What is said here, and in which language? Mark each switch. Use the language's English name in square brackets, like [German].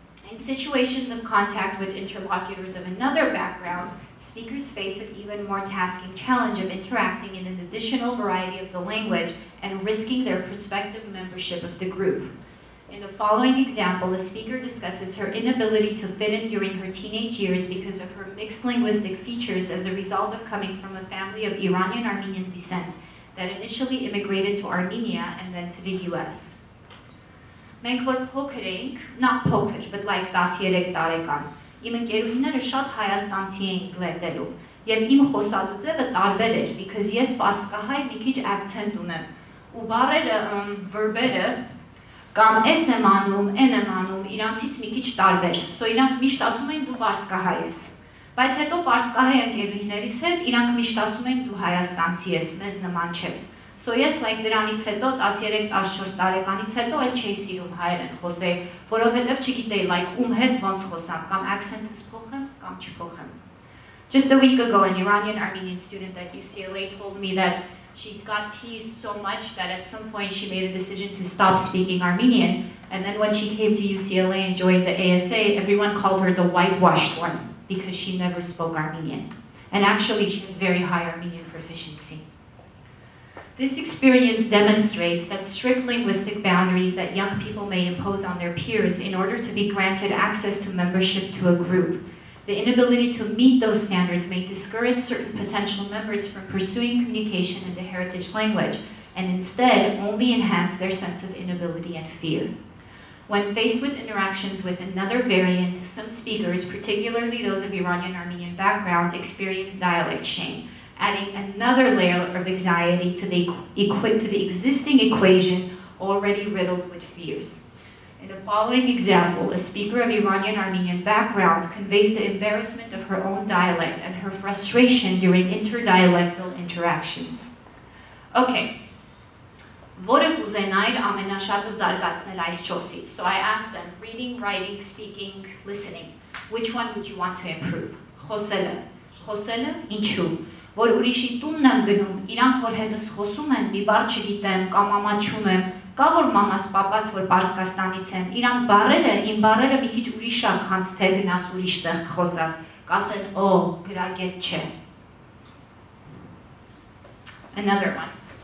[English] In situations of contact with interlocutors of another background, speakers face an even more tasking challenge of interacting in an additional variety of the language and risking their prospective membership of the group. In the following example, the speaker discusses her inability to fit in during her teenage years because of her mixed linguistic features as a result of coming from a family of Iranian-Armenian descent that initially immigrated to Armenia and then to the US. [Armenian] Մենք որ փոքր ենք, [English] not [Armenian] փոքր, [English] but like [Armenian] 13 տարեկան, իմ ընկերուհիները շատ հայաստանցի էին գլետելու, և իմ խոսալու ձևը տարբեր էր, [English] because [Armenian] ես պարսկահայ մի քիչ ակցենտ ունեմ, ու բառերը, verb-երը, կամ ես եմ անում, են եմ անում, իրանցից մի քիչ տարբեր, [English] so [Armenian] իրանք միշտ ասում էին դու պարսկահայ ես, բայց հետո պարսկահայ ընկերուհիներիս հետ իրանք միշտ ասում էին դու հայաստանցի ես, մեզ նման չես, [English] so [Armenian] ես [English] like [Armenian] դրանից հետո 13-14 տարեկանից հետո էլ չէի սիրում հայերեն խոսել, որովհետև չգիտեի [English] like [Armenian] ում հետ ոնց խոսամ, կամ accent-ս փոխեմ, կամ չփոխեմ։ [English] Just a week ago, an Iranian-Armenian student at UCLA told me that she got teased so much that at some point she made a decision to stop speaking Armenian, and then when she came to UCLA and joined the ASA, everyone called her the whitewashed one because she never spoke Armenian. And actually, she has very high Armenian proficiency. This experience demonstrates that strict linguistic boundaries that young people may impose on their peers in order to be granted access to membership to a group. The inability to meet those standards may discourage certain potential members from pursuing communication in the heritage language, and instead only enhance their sense of inability and fear. When faced with interactions with another variant, some speakers, particularly those of Iranian-Armenian background, experience dialect shame, adding another layer of anxiety to the existing equation already riddled with fears. In the following example, a speaker of Iranian-Armenian background conveys the embarrassment of her own dialect and her frustration during interdialectal interactions. Okay. [Armenian] Որը կուզենայիր ամենաշատը զարգացնել այս չորսից? [English] So I asked them, reading, writing, speaking, listening, which one would you want to improve? [Armenian] Խոսելը. Խոսելը ինչու? Որ ուրիշի տունն եմ գնում, իրանք որ հետս խոսում են, մի բառ չգիտեմ կամ ամաչում եմ, կա որ մամաս պապաս որ Պարսկաստանից են, իրանց բառերը, իմ բառերը մի քիչ ուրիշ են, քանց թե գնաս ուրիշ տեղ խոսաս, կասեն՝ օ, գրագետ չէ։ [English] Another one.